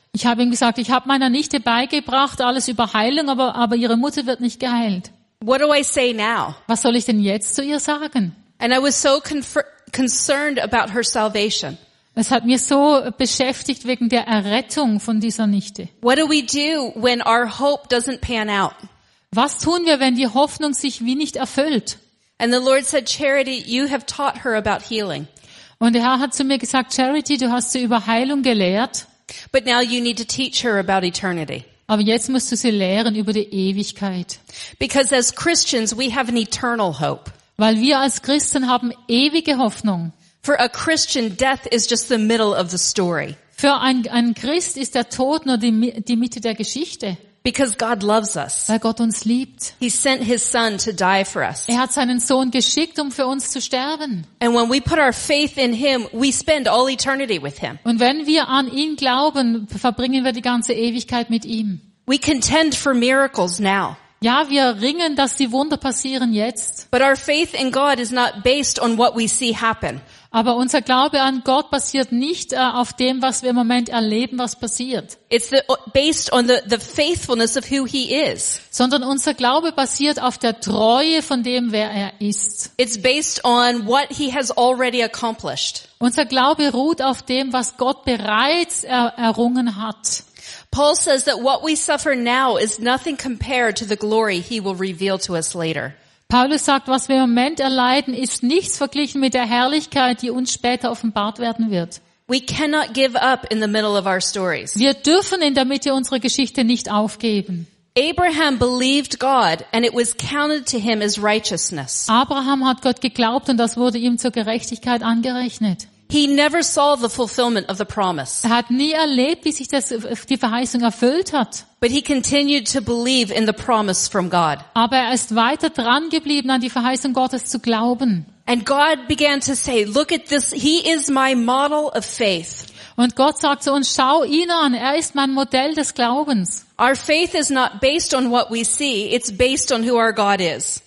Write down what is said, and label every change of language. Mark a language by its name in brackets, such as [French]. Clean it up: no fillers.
[German] Ich habe ihm gesagt, ich habe meiner Nichte beigebracht alles über Heilung, aber ihre Mutter wird nicht geheilt. [English] What do I say now? [German] Was soll ich denn jetzt zu ihr sagen? [English] And I was so concerned about her salvation. [German] Es hat mir so beschäftigt wegen der Errettung von dieser Nichte. [English] What do we do when our hope doesn't pan out? [German] Was tun wir, wenn die Hoffnung sich wie nicht erfüllt? [English] And the Lord said, Charity, you have taught her about healing. [German] Und der Herr hat zu mir gesagt, Charity, du hast sie über Heilung gelehrt. [English] But now you need to teach her about eternity. [German] Aber jetzt musst du sie lehren über die Ewigkeit. [English] Because as Christians we have an eternal hope. [German] Weil wir als Christen haben ewige Hoffnung. [English] For a Christian, death is just the middle of the story. [German] Für einen Christ ist der Tod nur die Mitte der Geschichte. [English] Because God loves us. [German] Weil Gott uns liebt. [English] He sent his son to die for us. [German] Hat seinen Sohn geschickt, um für uns zu sterben. [English] And when we put our faith in him, we spend all eternity with him. [German] Und wenn wir an ihn glauben, verbringen wir die ganze Ewigkeit mit ihm. [English] We contend for miracles now. [German] Ja, wir ringen, dass die Wunder passieren jetzt. [English] But our faith in God is not based on what we see happen. [German] Aber unser Glaube an Gott basiert nicht auf dem, was wir im Moment erleben, was passiert. [English] It's based on the faithfulness of who he is. [German] Sondern unser Glaube basiert auf der Treue von dem, wer er ist. [English] It's based on what he has already accomplished. [German] Unser Glaube ruht auf dem, was Gott bereits errungen hat. [English] Paul says that what we suffer now is nothing compared to the glory he will reveal to us later. [German] Paulus sagt, was wir im Moment erleiden, ist nichts verglichen mit der Herrlichkeit, die uns später offenbart werden wird. [English] We cannot give up in the middle of our stories. [German] Wir dürfen in der Mitte unserer Geschichte nicht aufgeben. [English] Abraham believed God and it was counted to him as righteousness. [German] Abraham hat Gott geglaubt und das wurde ihm zur Gerechtigkeit angerechnet. [English] He never saw the fulfillment of the promise. [German] Er hat nie erlebt, wie sich die Verheißung erfüllt hat. [English] But he continued to believe in the promise from God. [German] Aber er ist weiter dran geblieben, an die Verheißung Gottes zu glauben. [English] And God began to say, look at this, he is my model of faith. [German] Und Gott sagt zu uns, schau ihn an, er ist mein Modell des Glaubens. [English] Our faith is not based on what we see, it's based on who our God is.